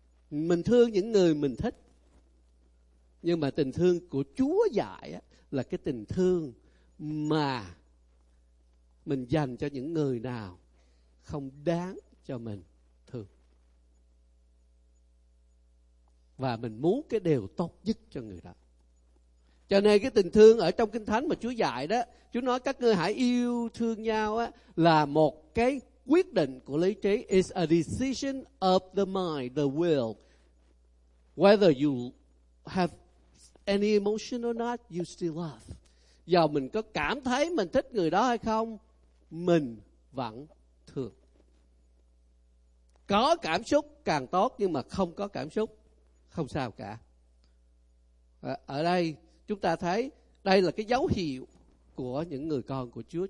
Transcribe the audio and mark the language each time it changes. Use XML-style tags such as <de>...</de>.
<vi>Mình thương những người mình thích. Nhưng mà tình thương của Chúa dạy á, là cái tình thương mà mình dành cho những người nào không đáng cho mình thương. Và mình muốn cái điều tốt nhất cho người đó. Cho nên cái tình thương ở trong Kinh Thánh mà Chúa dạy đó, Chúa nói các ngươi hãy yêu thương nhau á, là một cái quyết định của lý trí.</vi> <en>It's a decision of the mind, the will. Whether you have any emotion or not, you still love.</en> <vi>Dù mình có cảm thấy mình thích người đó hay không, mình vẫn thương. Có cảm xúc càng tốt, nhưng mà không có cảm xúc không sao cả. Ở đây chúng ta thấy đây là cái dấu hiệu của những người con của Chúa.</vi>